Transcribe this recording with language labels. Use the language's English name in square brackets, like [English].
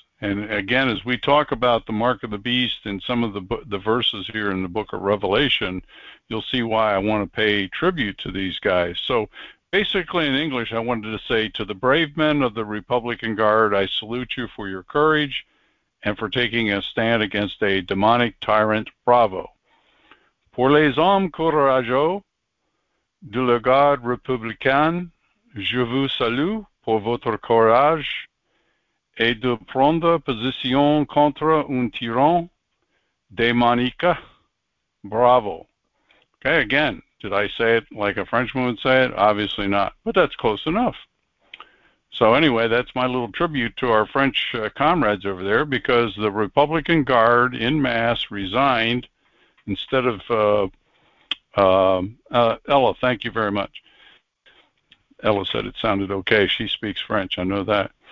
[English] And again, as we talk about the Mark of the Beast and some of the verses here in the book of Revelation, you'll see why I want to pay tribute to these guys. So basically in English, I wanted to say to the brave men of the Republican Guard, I salute you for your courage and for taking a stand against a demonic tyrant. Bravo. [French] Pour les hommes courageux de la garde républicaine, je vous salue pour votre courage et de prendre position contre un tyran démonique. [English] Bravo. Okay, again, did I say it like a Frenchman would say it? Obviously not, but that's close enough. So anyway, that's my little tribute to our French comrades over there, because the Republican Guard in mass resigned. Instead of, Ella, thank you very much. Ella said it sounded okay. She speaks French. I know that.